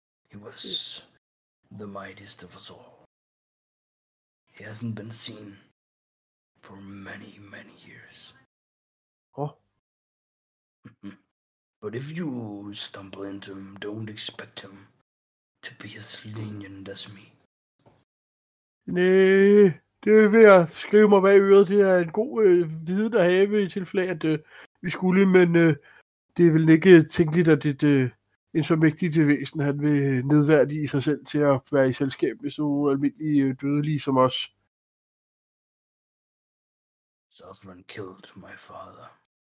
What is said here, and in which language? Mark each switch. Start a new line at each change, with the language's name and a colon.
English: He was the mightiest of us all. He hasn't been seen for many, many years. Oh. But if you stumble into him, don't expect him to be as lenient as me.
Danish: Nej, det vil jeg skrive mig bag øret. Det er en god viden at have i tilfælde, at vi skulle, men det er vel ikke tænkeligt, at det... En så mægtig til væsen, han vil nedværdige sig selv til at være i selskab med så almindelige dødelige som os.
English: Southrend killed my father.